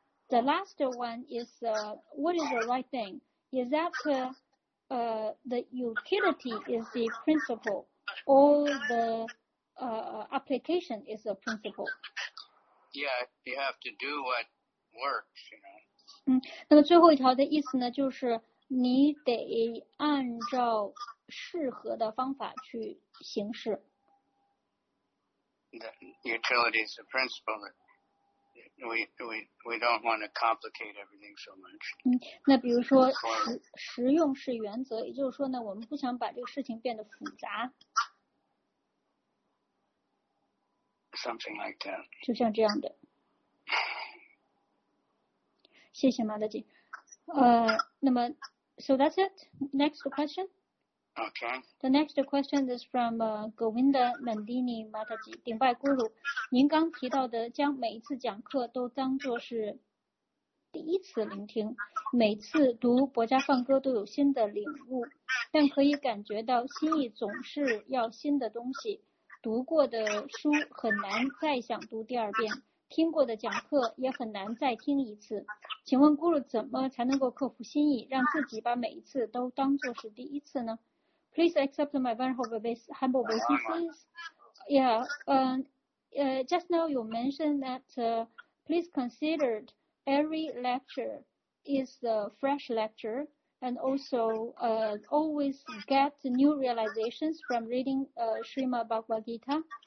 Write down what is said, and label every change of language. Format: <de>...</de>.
<en>The last one is what is the right thing? Is that the utility is the principle, or the application is the principle. Yeah, you have to do what works, you know.</en> <zh>那么最后一条的意思呢，就是你得按照适合的方法去行事。</zh> <en>The utility is the principle. We don't want to complicate everything so much.</en> <zh>那比如说实用是原则，也就是说呢，我们不想把这个事情变得复杂。</zh> <en>Something like that.</en> <zh>就像这样的。谢谢马德金。那么</zh> <en>，so that's it. Next question. Okay. The next question is from Govinda Mandini Mataji, 顶拜 Guru.</en> <zh>您刚提到的将每一次讲课都当作是第一次聆听，每次读《博迦梵歌》都有新的领悟，但可以感觉到心意总是要新的东西。读过的书很难再想读第二遍，听过的讲课也很难再听一次。请问 Guru 怎么才能够克服心意，让自己把每一次都当作是第一次呢？</zh> <en>Please accept my very humble obeisances. Yeah, just now you mentioned that please consider every lecture is a fresh lecture, and also always get new realizations from reading Srimad Bhagavad Gita.</en>